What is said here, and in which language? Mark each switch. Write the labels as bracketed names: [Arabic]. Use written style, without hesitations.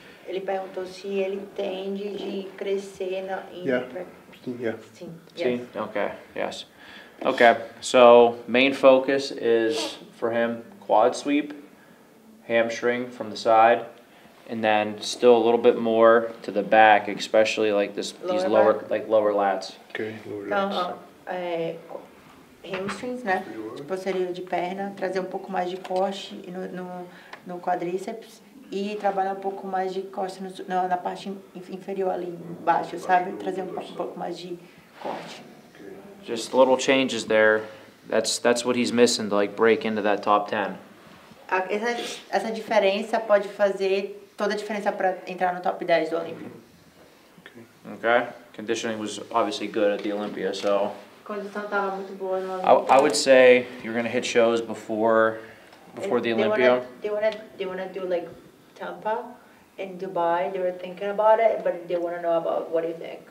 [Portuguese] Ele perguntou se ele tende de crescer na. [English] Yeah. [Portuguese] Sim. [English] Okay. Yes. Okay. So main focus is for him quad sweep, hamstring from the side, and then still a little bit more to the back, especially like this lower these lower back. Like lower lats. Okay. Lower lats. Uh-huh. [Portuguese] Hamstrings, né? Tipo, seria de perna, trazer um pouco mais de corte no quadríceps e trabalhar um pouco mais de corte na parte inferior ali embaixo, sabe? Trazer um pouco mais de corte. [English] Just little changes there. That's what he's missing to like break into that top 10. [Portuguese] Essa diferença pode fazer toda a diferença para entrar no top 10 do Olympia. [English] Okay. Conditioning was obviously good at the Olympia, so. [Portuguese] Condição tava muito boa no [English] Olympia. I would say you're gonna hit shows before the Olympia. They wanna do like Tampa and Dubai. They were thinking about it, but they wanna know about what do you think.